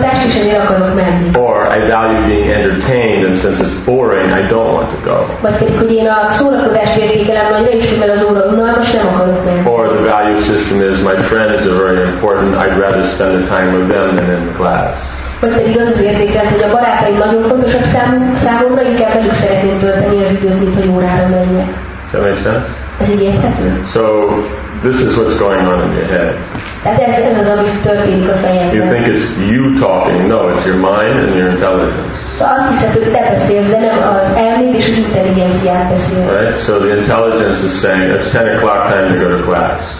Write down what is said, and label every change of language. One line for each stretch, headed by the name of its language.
English: Or I value being entertained, and since it's boring, I don't want to go. Or the value system is, my friends are very important, I'd rather spend the time with them than in the class.
Hungarian: Vagy pedig az értékelt, hogy a barátaim nagyon fontosak számomra, inkább velük szeretném tölteni az időt, mint hogy órára menjek.
English: That makes sense?
Hungarian: Ez így érthető?
English: So, this is what's going on in your head. You think it's you talking. No, it's your mind and your intelligence. Right? So the intelligence is saying, it's 10 o'clock, time to go to class.